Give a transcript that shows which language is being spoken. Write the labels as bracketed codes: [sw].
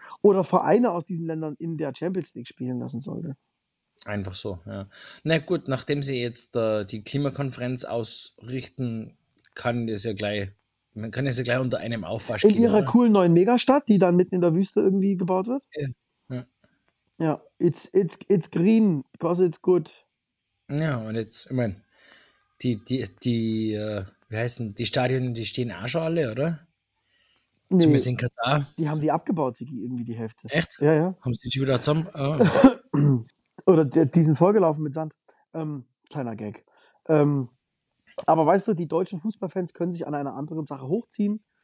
[de] Oder Vereine aus diesen Ländern in der Champions League spielen lassen sollte. Einfach so, ja. Na gut, nachdem sie jetzt die Klimakonferenz ausrichten, kann das ja gleich unter einem Aufwasch gehen. In ihrer coolen neuen Megastadt, die dann mitten in der Wüste irgendwie gebaut wird? [en] Ja, it's green, because it's good. [de] Ja, und jetzt, ich meine, die Stadien, die stehen auch schon alle, oder? Nee. Zumindest in Katar. Die haben die abgebaut, irgendwie die Hälfte. Echt? Ja. Haben sie die schon wieder zusammen? Oh. Oder die sind vollgelaufen mit Sand. Kleiner Gag. Aber weißt du, die deutschen Fußballfans können sich an einer anderen Sache hochziehen.